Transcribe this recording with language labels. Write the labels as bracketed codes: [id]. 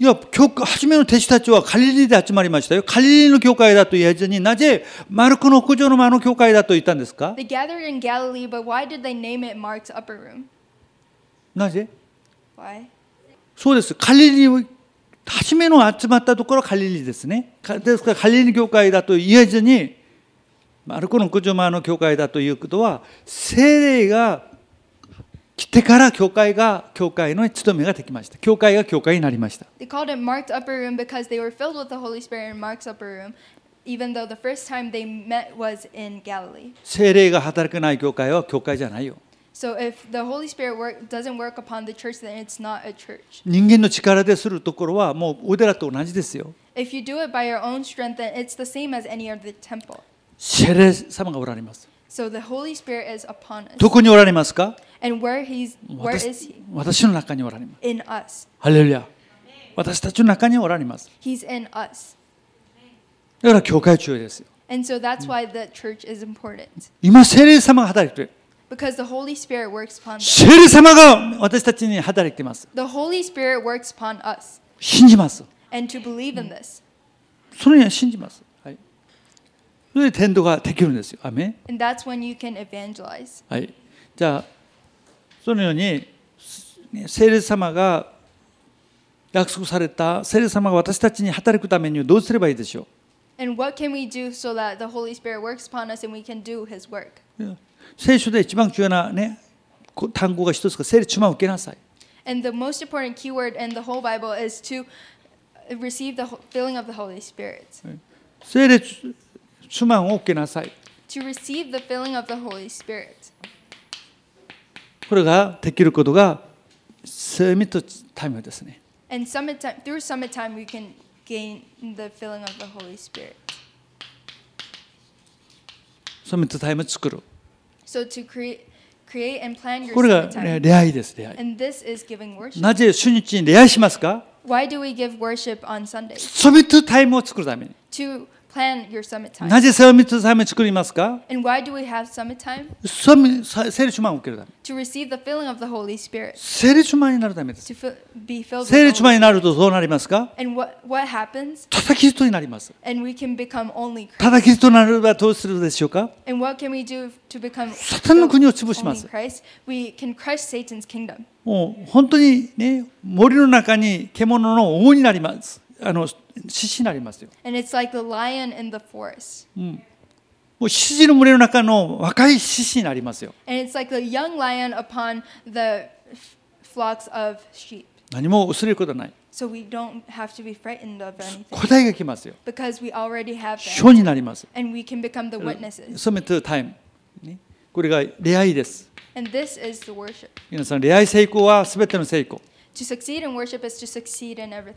[ja] いや、初めの弟子たちはガリリで集まりましたよ。ガリリの教会だと言わずになぜマルコの屋上の前の教会だと言ったんですか。 [en] They gathered in Galilee, but why did they name it Mark's upper room? [ja] なぜ [en] ？Why? [ja] そうです。ガリリを初めの集まったところはガリリですね。ですからガリリ教会だと言えずにマルコの屋上前の教会だということは聖霊が来てから教会の務めができました。教会が教会になりました。 [en] They called it Mark's upper room because they were filled with the Holy Spirit in Mark's upper room, even though the first time they met was in Galilee. [ja] 聖霊が働かない教会は教会じゃないよ。 [en] So if the Holy Spirit doesn't work upon the church, then it's not a church. [ja] 人間の力でするところはもうお寺と同じですよ。 [en] If you do it by your own strength, then it's the same as any other temple. [ja] 聖霊様がおられます。 [en] So the Holy Spirit is upon us. [ja] どこにおられますか？ [en] And where is he? [ja] 私の中におられます。 [en] In us. [ja] ハレルヤ。私たちの中におられます。 [en] He's in us. [ja] だから教会中ですよ。 [en] And so that's why the church is important. [ja] 今聖霊様が働いている。 [en] Because the Holy Spirit works upon us. [ja] 聖霊様が私たちに働いています。 [en] The Holy Spirit works upon us. [ja] 信じます。 [en] And to believe in this. [ja] それには信じます。はい。それで伝道ができるんですよ。アメン。 [en] And that's when you can evangelize. [ja] はい。じゃあそのように聖霊様が約束された聖霊様が私たちに働くためにはどうすればいいでしょう。 [en] And what can we do so that the Holy Spirit works upon us and we can do His work? Yeah. [ja] 聖書で一番重要な、ね、単語が一つが聖霊充満を受けなさい。 [en] And the most important keyword in the whole Bible is to receive the filling of the Holy Spirit. [ja] 聖霊充満を受けなさい。 [en] To receive the filling of the Holy Spirit. [ja] これができることがサミットタイムですね。 [en] And summit time, through summit time, we can gain the filling of the Holy Spirit. [ja] サミットタイム作る。 [en] So to create and plan your time. [ja] これが礼拝です礼拝。 [en] And this is giving worship. [ja] なぜ主日に礼拝しますか？ [en] Why do we give worship on Sunday? [ja] サミットタイムを作るために。 [en] To plan your summit time. [ja] なぜサミットタイムを作りますか？ [en] And why do we have summit time? [ja] 聖霊充満を受けるために。 [en] To receive the filling of the Holy Spirit. [ja] 聖霊充満になるためです。 [en] To be filled. [ja] 聖霊充満になるとどうなりますか？ [en] And what happens? [ja] ただキリストになります。 [en] And we can become only Christ. [ja] ただキリストになればどうするでしょうか？ [en] And what can we do to become only [ja] Christ? サタンの国を潰します。 [en] We can crush Satan's kingdom. [ja] もう本当にね、森の中に獣の王になります。獅子になりますよ。 [en] And it's like the lion in the forest. [ja] もう羊の群れの中の若い獅子になりますよ。 [en] And it's like a young lion upon the flocks of sheep. [ja] 何も恐れることない。 [en] So we don't have to be frightened of anything. [ja] 答えが来ますよ。 [en] Because we already have the answer. [ja] 証になります。 [en] And we can become the witnesses. [ja] Summit time. これが礼拝です。 [en] And this is the worship. [ja] 皆さん、礼拝成功は全ての成功。 [en] To succeed in worship is to succeed in everything.